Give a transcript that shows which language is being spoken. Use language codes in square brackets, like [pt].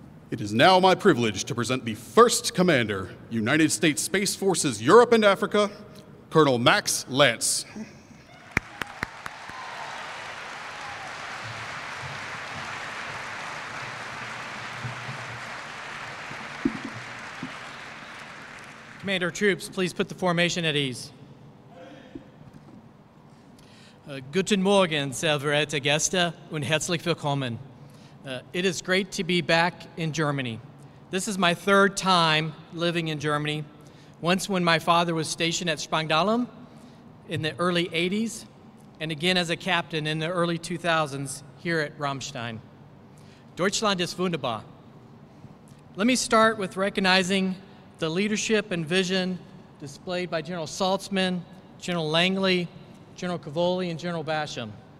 [en] It is now my privilege to present the first commander, United States Space Forces Europe and Africa, Colonel Max Lance. Commander, troops, please put the formation at ease. [de] Guten Morgen, sehr verehrte Gäste und herzlich willkommen. [en] It is great to be back in Germany. This is my third time living in Germany. Once when my father was stationed at Spangdahlem in the early 80s, and again as a captain in the early 2000s here at Rammstein. [de] Deutschland ist wunderbar. [en] Let me start with recognizing the leadership and vision displayed by General Saltzman, General Langley, General Cavoli, and General Basham.